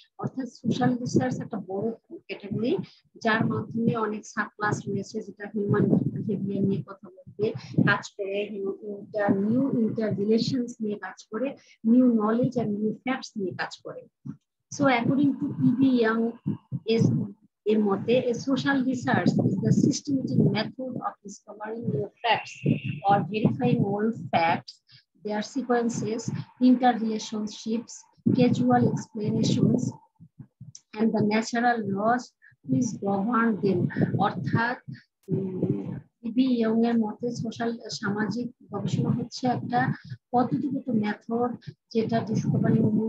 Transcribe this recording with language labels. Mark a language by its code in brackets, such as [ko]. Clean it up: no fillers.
[bn] অর্থাৎ social research একটা বড় ক্যাটাগরি যার মাধ্যমে অনেক সাব ক্লাস রয়েছে যেটা হিউম্যান বিহেভিয়ার নিয়ে কথা বলবে, কাজ করে নিউ ইন্টারলেশনস নিয়ে কাজ করে, new knowledge and new facts নিয়ে কাজ করে। [en] So according to P.B. Young, a social research is the systematic method of discovering new facts or verifying old facts, their sequences, interrelationships, casual explanations, and the natural laws which govern them. [bn] অর্থাৎ PB. Young এর মতে সামাজিক গবেষণা হচ্ছে একটা পদ্ধতিগত method যেটা Discovery